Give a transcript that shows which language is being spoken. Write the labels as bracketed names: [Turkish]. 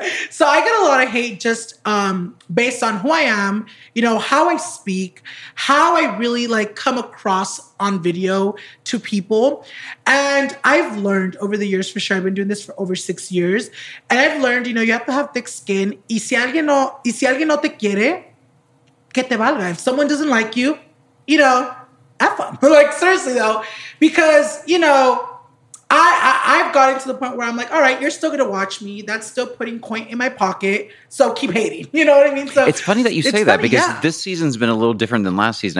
[English] So I get a lot of hate just based on who I am, you know, how I speak, how I really like come across on video to people. And I've learned over the years, for sure, I've been doing this for over 6 years. And I've learned, you know, you have to have thick skin. [Spanish] Y si alguien no te quiere, que te valga. [English] If someone doesn't like you, you know, F them. Like, seriously, though. Because, you know, I've gotten to the point where I'm like, all right, you're still going to watch me. That's still putting coin in my pocket. So keep hating. You know what I mean? So it's funny that you say that, because this season's been a little different than last season.